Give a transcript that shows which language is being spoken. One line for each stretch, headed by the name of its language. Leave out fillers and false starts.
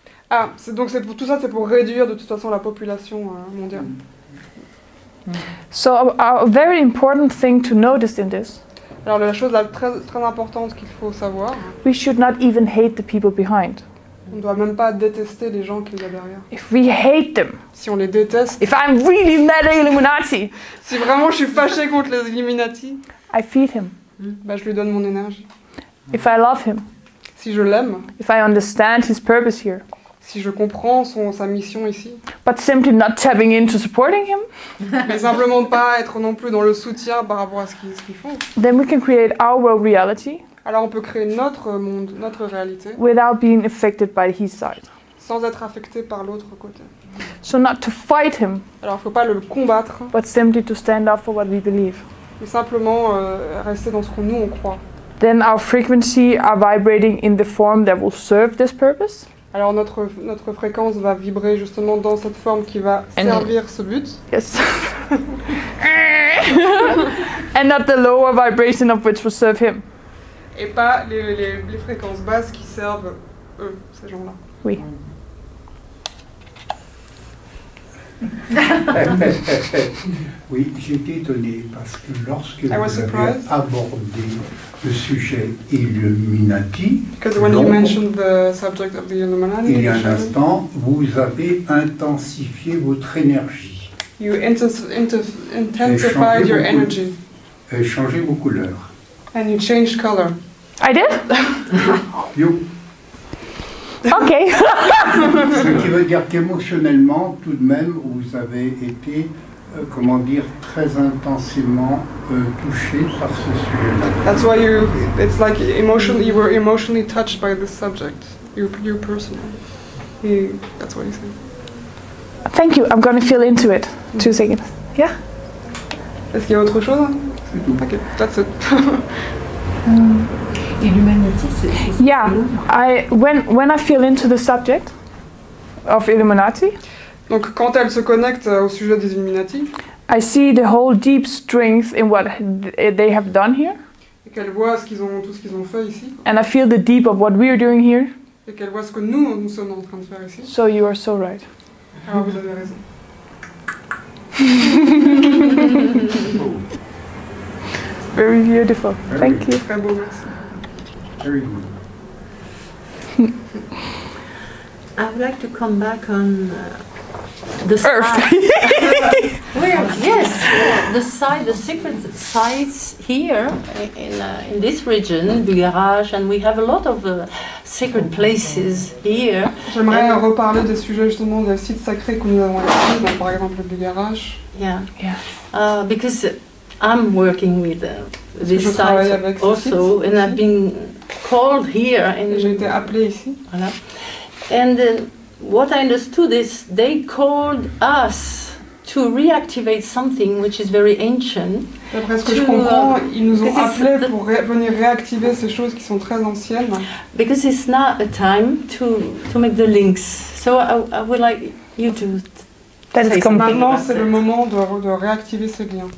French: Ah, c'est pour réduire de toute façon la population mondiale.
English: So a very important thing to notice in this.
French: Alors la chose la très très importante qu'il faut savoir.
English: We should not even hate the people behind.
French: On doit même pas détester les gens qu'il y a derrière.
English: If we hate them.
French: Si on les déteste.
English: If I'm really mad at Illuminati.
French: Si vraiment je suis fâché contre les Illuminati.
English: I feed him.
French: Bah je lui donne mon énergie.
English: If I love him.
French: Si je l'aime.
English: If I understand his purpose here.
French: Si je comprends sa mission ici.
English: But simply not tapping into supporting him.
French: Mais simplement pas être non plus dans le soutien par rapport à ce qu'ils font.
English: Then we can create our world reality.
French: Alors on peut créer notre monde, notre réalité.
English: Without being affected by his side.
French: Sans être affecté par l'autre côté.
English: So not to fight him.
French: Alors faut pas le combattre.
English: But simply to stand up for what we believe.
French: Mais simplement rester dans ce que nous on croit.
English: Then our frequency are vibrating in the form that will serve this purpose.
French: Alors notre fréquence va vibrer justement dans cette forme qui va servir ce but.
English: Yes. And not the lower vibration of which will serve him.
French: Et pas les fréquences basses qui servent eux, ces gens-là. Oui. Oui, j'étais étonnée parce que lorsque vous avez abordé le sujet Illuminati, il y a un instant, vous avez intensifié votre énergie.
English: You intensified your energy.
French: Et changé vos couleurs.
English: And you changed color. I did. You. Ok.
French: Ce qui veut dire qu'émotionnellement, tout de même, vous avez été, comment dire, très intensément touché par ce sujet.
English: That's why you. It's like emotionally, you were emotionally touched by this subject. You personally. That's what you said. Thank you. I'm going to feel into it. 2 seconds. Yeah.
French: Est-ce qu'il y a autre chose? C'est tout.
English: Ok. That's it.
French: Illuminati, c'est
English: When I feel into the subject of Illuminati,
French: donc quand elle se connecte au sujet des Illuminati,
English: I see the whole deep strength in what they have done here.
French: Et qu'elle voit tout ce qu'ils ont fait ici.
English: And I feel the deep of what we are doing here.
French: Et qu'elle voit ce que nous sommes en train de faire ici.
English: So you are so right.
French: Alors vous avez raison.
English: Very beautiful. Thank you.
French: Très beau, merci.
English: I would like to come back on the Earth. the secret sites here in this region, the garage, and we have a lot of secret places here.
French: J'aimerais reparler des sujets justement des sites sacrés que nous avons ici, donc par exemple le garage.
English: Yeah. Because I'm working with this site also, and I've been called here.
French: J'ai été appelée ici. Voilà.
English: And what I understood is they called us to reactivate something which is very ancient.
French: D'après ce que je comprends, ils nous ont appelés pour venir réactiver ces choses qui sont très anciennes.
English: Because it's not a time to make the links. So I would like you to.
French: Maintenant, c'est le moment de réactiver ces liens.